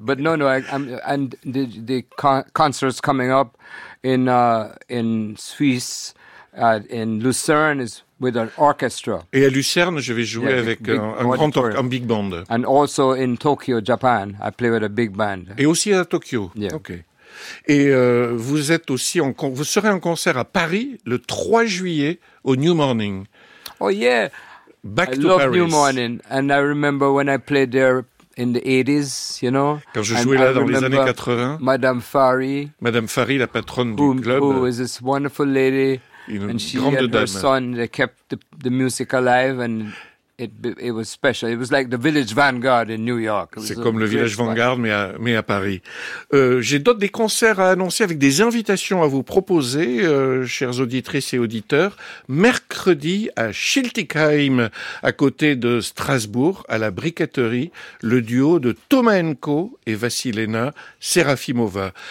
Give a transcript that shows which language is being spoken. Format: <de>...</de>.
<en>But no, the concerts coming up in Suisse, in Lucerne is with an orchestra.</en> <fr>Et à Lucerne, je vais jouer avec un big band.</fr> <en>And also in Tokyo, Japan, I play with a big band.</en> <fr>Et aussi à Tokyo.</fr> <en>Yeah. Okay.</en> <fr>Et vous serez en concert à Paris le 3 juillet au New Morning.</fr> <en>Oh yeah. Back I to love Paris. New Morning, and I remember when I played there in the 80s, you know.</en> <fr>Quand je jouais là dans les années 80.</fr> <en>Madame Fari,</en> <fr>la patronne du club.</fr> <en>Who was this wonderful lady?</en> <fr>Une grande dame.</fr> <en>And she had her son. They kept the music alive, and it was special. It was like the Village Vanguard in New York.</en> <fr>C'est comme le Village Vanguard, mais à Paris. J'ai d'autres des concerts à annoncer avec des invitations à vous proposer, chers auditrices et auditeurs. Mercredi à Schiltigheim, à côté de Strasbourg, à la Briqueterie, le duo de Tomaenko et Vasilena Serafimova.</fr>